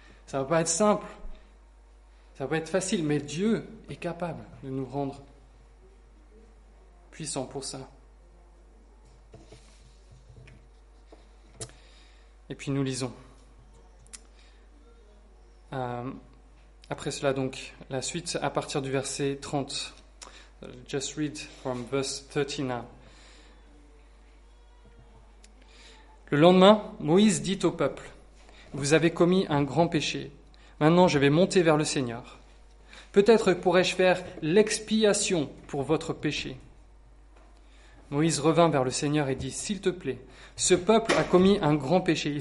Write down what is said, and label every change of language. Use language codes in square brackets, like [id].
[fr] Ça ne va pas être simple, ça ne va pas être facile, mais Dieu est capable de nous rendre puissants pour ça. Et puis nous lisons. Après cela, donc, la suite à partir du verset 30. [en] Just read from verse 30 now. [fr] Le lendemain, Moïse dit au peuple, « Vous avez commis un grand péché. Maintenant, je vais monter vers le Seigneur. Peut-être pourrais-je faire l'expiation pour votre péché. » Moïse revint vers le Seigneur et dit, « S'il te plaît, ce peuple a commis un grand péché.